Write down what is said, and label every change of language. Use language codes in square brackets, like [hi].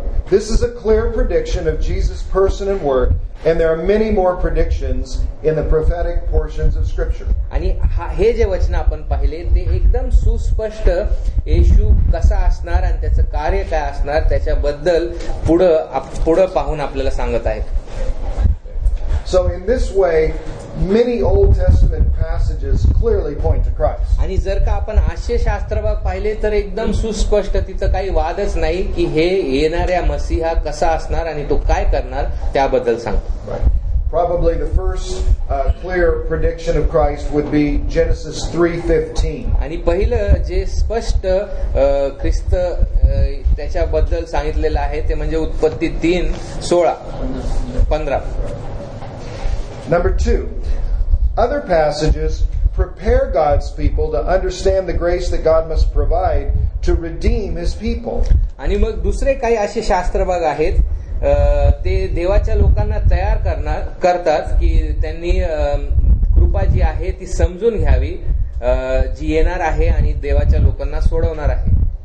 [en] This is a clear prediction of Jesus' person and work, and there are many more predictions in the prophetic portions of Scripture. [mr] आणि हे जे वचन आपण पाहिले ते एकदम सुस्पष्ट येशू कसा असणार आणि त्याचं कार्य काय असणार त्याच्याबद्दल पुढे पाहून आपल्याला सांगत आहेत. [en] So in this way, many Old Testament passages clearly point to Christ. [mr] आणि जर का आपण आशय शास्त्र पाहिले तर एकदम सुस्पष्ट तिथं काही वादच नाही की हे येणाऱ्या मसीहा कसा असणार आणि तो काय करणार त्याबद्दल सांगतो. [en] Probably the first clear prediction of Christ would be Genesis 3:15. [mr] आणि पहिलं जे स्पष्ट ख्रिस्त त्याच्याबद्दल सांगितलेलं आहे ते म्हणजे उत्पत्ती 3:16-15. [en] Number 2. Other passages prepare God's people to understand the grace that God must provide to redeem his people. [mr] आणि मग दुसरे काही असे शास्त्र भाग आहेत ते देवाच्या लोकांना तयार करतात की त्यांनी कृपा जी आहे ती समजून घ्यावी जी येणार आहे आणि देवाच्या लोकांना सोडवणार आहे.